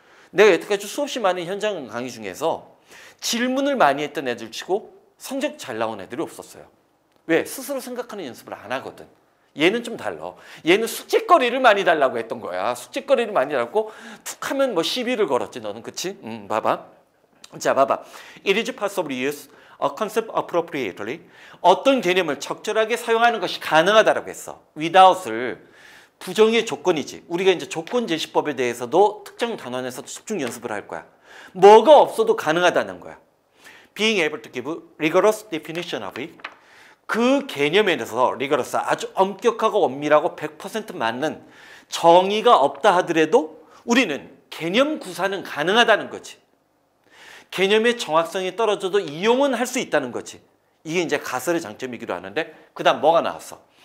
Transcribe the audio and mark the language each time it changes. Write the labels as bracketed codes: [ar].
[ko] 내가 여태까지 수없이 많은 현장 강의 중에서 질문을 많이 했던 애들 치고 성적 잘 나온 애들이 없었어요. 왜? 스스로 생각하는 연습을 안 하거든. 얘는 좀 달라. 얘는 숙제거리를 많이 달라고 했던 거야. 숙제거리를 많이 달라고 툭 하면 뭐 시비를 걸었지 너는. 그치? 봐봐. 자, 봐봐. [en] It is possible to use a concept appropriately. [ko] 어떤 개념을 적절하게 사용하는 것이 가능하다라고 했어. Without을 부정의 조건이지. 우리가 이제 조건 제시법에 대해서도 특정 단원에서 집중 연습을 할 거야. 뭐가 없어도 가능하다는 거야. [en] Being able to give rigorous definition of it. [ko] 그 개념에 대해서 rigorous, 아주 엄격하고 엄밀하고 100% 맞는 정의가 없다 하더라도 우리는 개념 구사는 가능하다는 거지. 개념의 정확성이 떨어져도 이용은 할 수 있다는 거지. 이게 이제 가설의 장점이기도 하는데 그 다음 뭐가 나왔어?